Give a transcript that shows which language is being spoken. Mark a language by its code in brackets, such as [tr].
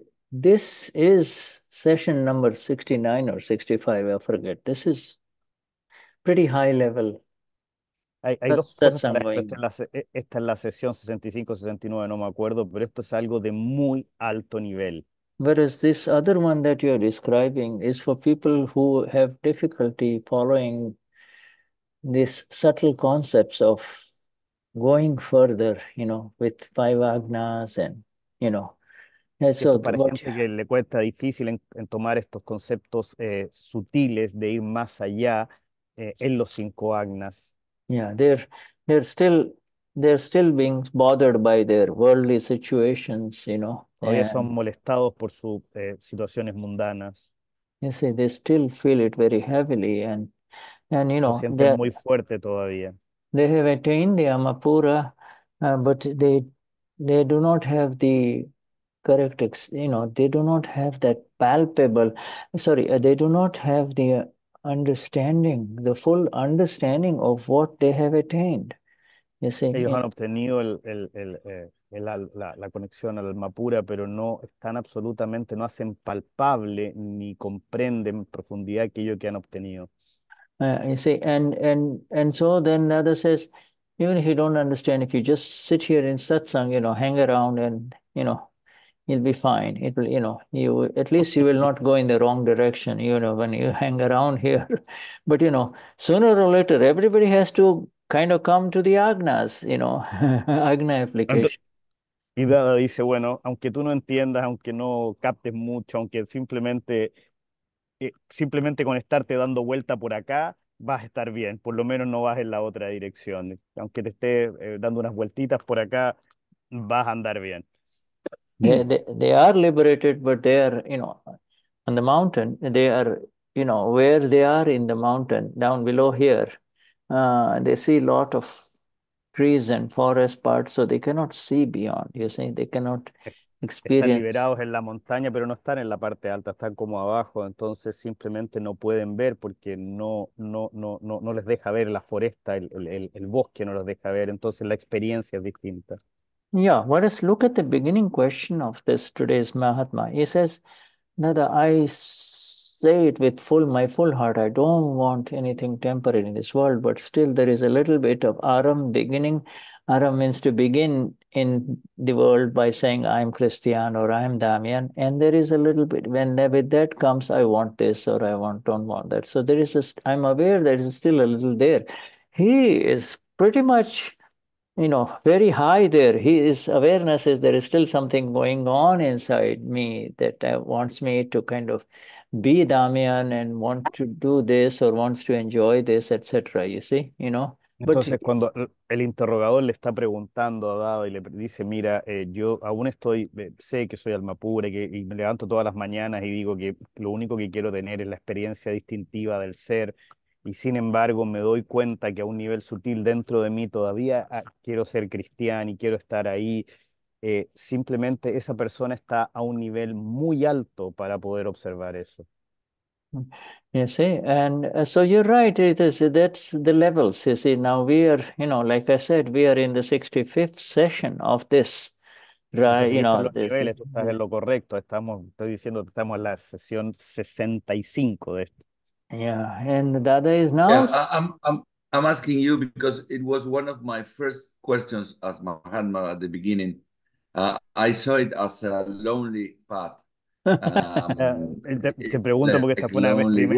[en] This is session number 69 or 65, I forget. This is pretty high level. [es] Hay dos cosas para esto. Esta es la sesión 65-69, no me acuerdo, pero esto es algo de muy alto nivel. [en] Whereas this other one that you're describing is for people who have difficulty following these subtle concepts of going further, you know, with five agnas and, you know. [es] So, para gente que le cuesta difícil en tomar estos conceptos sutiles de ir más allá en los cinco agnas. [en] Yeah, they're still being bothered by their worldly situations, you know. [es] Todavía son molestados por sus situaciones mundanas. [en] You see, they still feel it very heavily, and you know, [es] sienten muy fuerte todavía. [en] They have attained the Amapura, but they do not have the correct, you know, they do not have that palpable. Sorry, they do not have the understanding, the full understanding of what they have attained. You see, [es] ellos han obtenido la conexión al alma pura, pero no están absolutamente, no hacen palpable ni comprenden en profundidad aquello que han obtenido. [en] You see, and so then Nada says, even if you don't understand, if you just sit here in satsang, you know, hang around and, you know, you'll be fine. It will, you know, you at least you will not go in the wrong direction, you know, when you hang around here. But, you know, sooner or later, everybody has to kind of come to the agnas, you know, agna application. [es] Y Dada dice, bueno, aunque tú no entiendas, aunque no captes mucho, aunque simplemente con estarte dando vuelta por acá, vas a estar bien, por lo menos no vas en la otra dirección. Aunque te esté dando unas vueltitas por acá, vas a andar bien. [en] they are liberated, but they are, you know, on the mountain. They are, you know, where they are in the mountain, down below here, they see a lot of trees and forest parts, so they cannot see beyond. You see, they cannot experience. [es] Están liberados en la montaña, pero no están en la parte alta, están como abajo, entonces simplemente no pueden ver porque no les deja ver la foresta, el bosque no los deja ver, entonces la experiencia es distinta. [en] Yeah, whereas look at the beginning question of this today's Mahatma. He says, Dada, I say it with my full heart. I don't want anything temporary in this world, but still there is a little bit of aram, beginning. Aram means to begin in the world by saying, I am Cristian or I am Damian. And there is a little bit, when with that comes, I want this or I don't want that. So there is I'm aware there is still a little there. He is pretty much, you know, very high there. His awareness is there is still something going on inside me that wants me to kind of be Damian and want to do this or wants to enjoy this, etc. You see, you know. [es] Entonces, cuando el interrogador le está preguntando a Dado y le dice, mira, yo aún estoy, sé que soy alma pura y me levanto todas las mañanas y digo que lo único que quiero tener es la experiencia distintiva del ser. Y sin embargo, me doy cuenta que a un nivel sutil dentro de mí todavía quiero ser Cristian y quiero estar ahí. Simplemente esa persona está a un nivel muy alto para poder observar eso. [en] You see, and so you're right, it is, that's the levels, you see. Now we are, you know, like I said, we are in the 65th session of this, right? You know, this [es] niveles, is, estás en lo correcto, estoy diciendo que estamos en la sesión 65 de esto. [en] Yeah, and Dada is now... Yeah, I'm asking you because it was one of my first questions as Mahatma at the beginning. I saw it as a lonely path. [es] Te pregunto porque esta fue una vez primera.